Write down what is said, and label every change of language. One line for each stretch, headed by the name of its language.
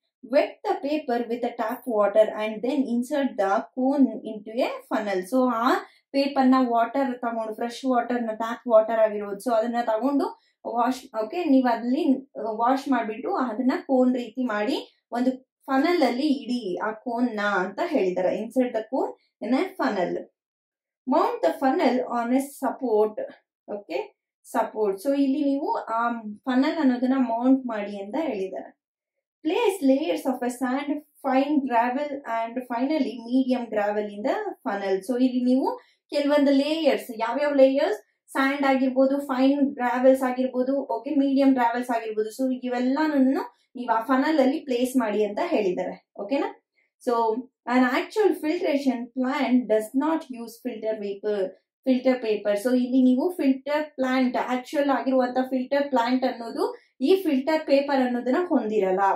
English: wet the paper with a tap water and then insert the cone into a funnel,
Kannada: so ಆ paper ನ water ತಗೊಂಡು, fresh water ನ tap water ಆಗಿರೋದು, so ಅದನ್ನ ತಗೊಂಡು wash okay ನೀವು ಅಲ್ಲಿ ವಾಶ್ ಮಾಡಿಬಿಟ್ಟು ಅದನ್ನ ಕೋನ್ ರೀತಿ ಮಾಡಿ ಒಂದು ಫನಲ್ ಅಲ್ಲಿ ಇಡಿ ಆ ಕೋನ್ ನ ಅಂತ ಹೇಳಿದ್ದಾರೆ.
English: insert the cone in a funnel, mount the funnel on a support
Kannada: okay support, so ಇಲ್ಲಿ ನೀವು ಆ ಫನಲ್ ಅನ್ನೋದನ್ನ ಮೌಂಟ್ ಮಾಡಿ ಅಂತ ಹೇಳಿದ್ದಾರೆ.
English: Place layers of a sand, fine gravel and finally medium gravel in the funnel.
Kannada: So, ಇಲ್ಲಿ ನೀವು ಕೆಲವೊಂದು ಲೇಯರ್ಸ್, ಯಾವ್ಯಾವ ಲೇಯರ್ಸ್, ಸ್ಯಾಂಡ್ ಆಗಿರ್ಬೋದು, ಫೈನ್ ಗ್ರಾವೆಲ್ಸ್ ಆಗಿರ್ಬೋದು ಓಕೆ, ಮೀಡಿಯಂ ಗ್ರಾವೆಲ್ಸ್ ಆಗಿರ್ಬೋದು, ಸೊ ಇವೆಲ್ಲಾನು ನೀವು ಆ ಫನಲ್ ಅಲ್ಲಿ ಪ್ಲೇಸ್ ಮಾಡಿ ಅಂತ ಹೇಳಿದ್ದಾರೆ ಓಕೆನಾ.
English: so on actual filtration plant does not use filter paper,
Kannada: so ಇಲ್ಲಿ ನೀವು ಫಿಲ್ಟರ್ ಪ್ಲಾಂಟ್, ಆಕ್ಚುಯಲ್ ಆಗಿರುವಂತ ಫಿಲ್ಟರ್ ಪ್ಲಾಂಟ್ ಅನ್ನೋದು ಈ ಫಿಲ್ಟರ್ ಪೇಪರ್ ಅನ್ನೋದನ್ನ ಹೊಂದಿರಲ್ಲ.